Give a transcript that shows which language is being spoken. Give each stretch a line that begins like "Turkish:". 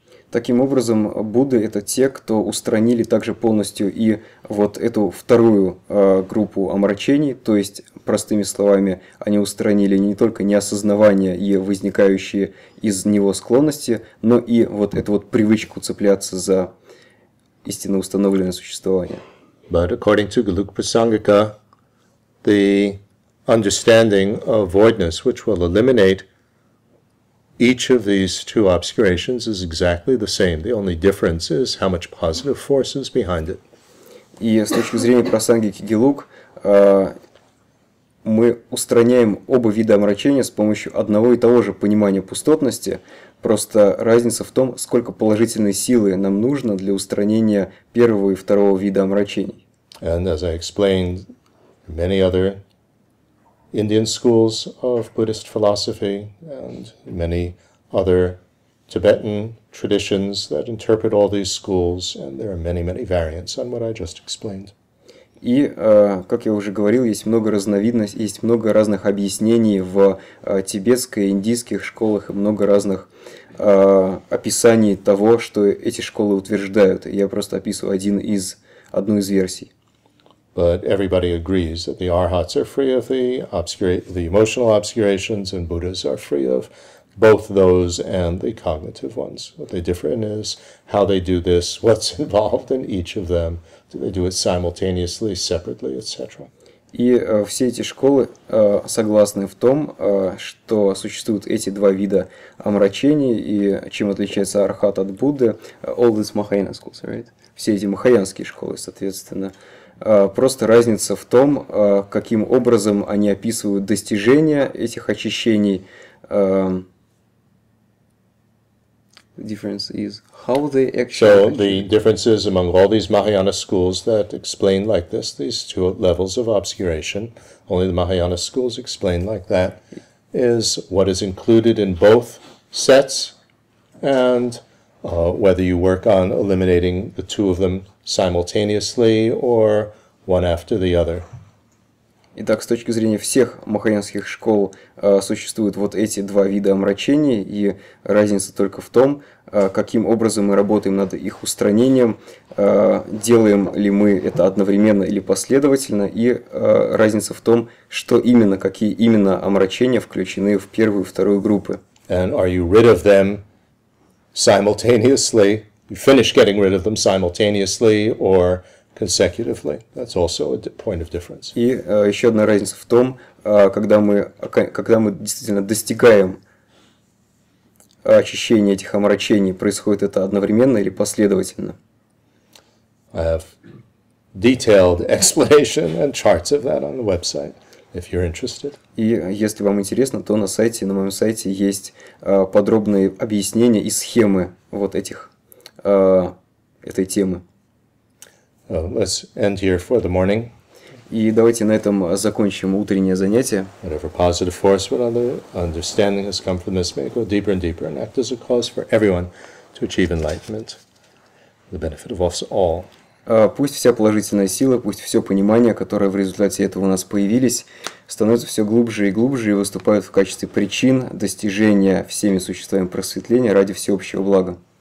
Russian: Таким образом, Будды — это те, кто устранили также полностью и вот эту вторую группу омрачений, то есть, простыми словами, они устранили не только неосознавание и возникающие из него склонности, но и вот эту вот привычку цепляться за истинно установленное существование.
English: But according to Galukha Prasangika, the understanding of voidness, which will eliminate each of these two obscurations, is exactly the same. The only difference is how much positive force is behind it.
Russian: И с точки зрения Прасангики Гелук, мы устраняем оба вида омрачения с помощью одного и того же понимания пустотности. Просто разница в том, сколько положительной силы нам нужно для устранения первого и второго вида омрачений.
English: And as I explained, many other Indian schools of Buddhist philosophy and many other Tibetan traditions that interpret all these schools, and there are many, many variants on what I just explained.
Russian: И, как я уже говорил, есть много разновидностей, есть много разных объяснений в тибетской, индийских школах, и много разных описаний того, что эти школы утверждают. Я просто описываю одну из версий.
English: But everybody agrees that the arhats are free of the emotional obscurations, and Buddhas are free of both those and the cognitive ones. What they differ in is how they do this, what's involved in each of them. Do they do it simultaneously, separately, etc.
Russian: И все эти школы согласны в том, что существуют эти два вида омрачений, и чем отличается архат от Будды.
English: All these Mahayana schools, right?
Russian: Все эти махаянские школы, соответственно. Просто разница в том, каким образом они описывают достижение этих очищений.
English: Difference is how they actually. So the difference is among all these Mahayana schools that explain like this, these two levels of obscuration, only the Mahayana schools explain like that, is what is included in both sets, and whether you work on eliminating the two of them simultaneously or one after the other.
Russian: Итак, с точки зрения всех махаянских школ существуют вот эти два вида омрачений, и разница только в том, каким образом мы работаем над их устранением, делаем ли мы это одновременно или последовательно, и разница в том, что именно, какие именно омрачения включены в первую и вторую группы.
English: And are you rid of them simultaneously? You finish getting rid of them simultaneously or consecutively. That's also a point of difference.
Russian: И еще одна разница в том, когда мы действительно достигаем очищения этих омрачений, происходит это одновременно или последовательно?
English: I have detailed explanation and charts of that on the website, if you're interested.
Russian: И если вам интересно, то на моем сайте есть подробные объяснения и схемы вот этих этой темы.
English: Let's end here for the morning.
Russian: И давайте на этом закончим утреннее занятие.
English: Whatever positive force, whatever understanding has come from this, may go deeper and deeper and act as a cause for everyone to achieve enlightenment, the benefit of us all.
Russian: Пусть вся положительная сила, пусть все понимание, которое в результате этого у нас появились, становится все глубже и глубже и выступает в качестве причин достижения всеми существами просветления ради всеобщего блага.